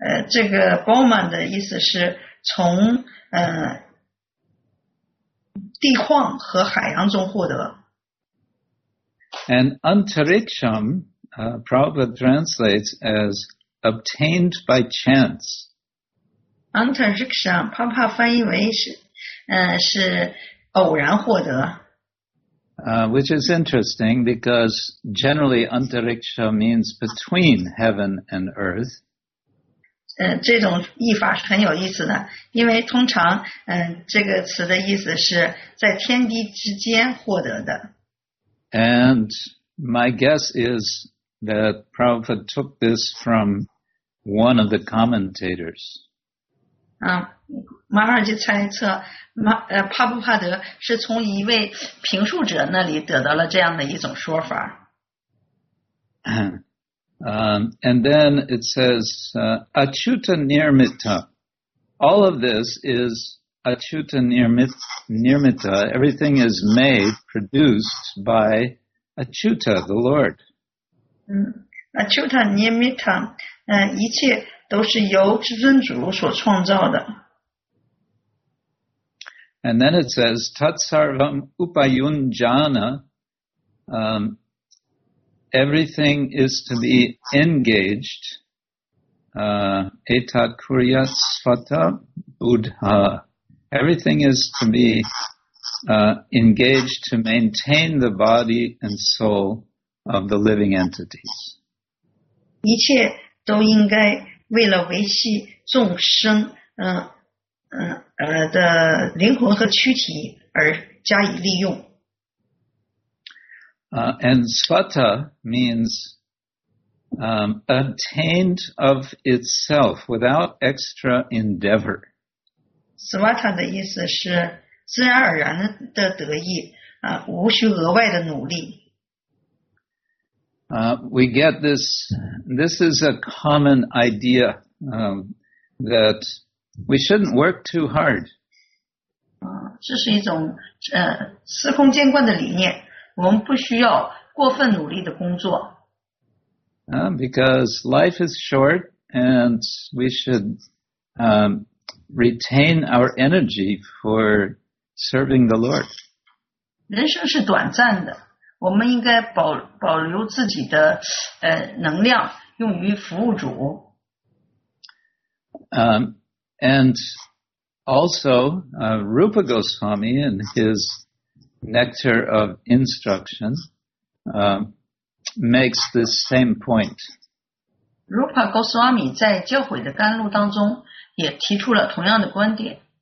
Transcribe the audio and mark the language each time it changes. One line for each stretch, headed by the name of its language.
Chinese: 这个 bomam 的意思是从地矿和海洋中获得。
English: And antariksham, Prabhupada translates as obtained by chance.
Chinese: Antariksham, Prabhupada 翻译为是偶然获得。
English: Which is interesting because generally antariksha means between heaven and earth.
Chinese: 这种译法是很有意思的，因为通常这个词的意思是在天地之间获得的。
English: And my guess is that Prabhupada took this from one of the commentators.
Chinese: Maharaj 猜测帕布帕德是从一位评述者那里得到了这样的一种说法。
English: And then it says, Achyuta Nirmita. All of this is Achyuta Nirmita. Everything is made, produced by Achyuta, the Lord.
Chinese: Achyuta Nirmita, 一切都是由至尊主所创造的。
English: And then it says,
Sanskrit: Tatsarvam Upayunjana,
English: everything is to be engaged.
Sanskrit: Etat kuryat svata buddha.
English: Everything is to be engaged to maintain the body and soul of the living entities.
Chinese: 一切都应该为了维系众生的灵魂和躯体而加以利用。
English: And svata means obtained of itself without extra endeavor.
Chinese: Svata 的意思是自然而然的得意，无需额外的努力。
English: We get this. This is a common idea that we shouldn't work too hard.
Chinese: 这是一种司空见惯的理念。我们不需要过分努力的工作。
English: Because life is short and we should retain our energy for serving the Lord.
Chinese: 人生是短暂的，我们应该保留自己的能量用于服务主。
English: And also, Rupa Goswami and his Nectar of Instruction makes this same point.
Chinese: Rupa Goswami 在教诲的甘露当中也提出了同样的观点。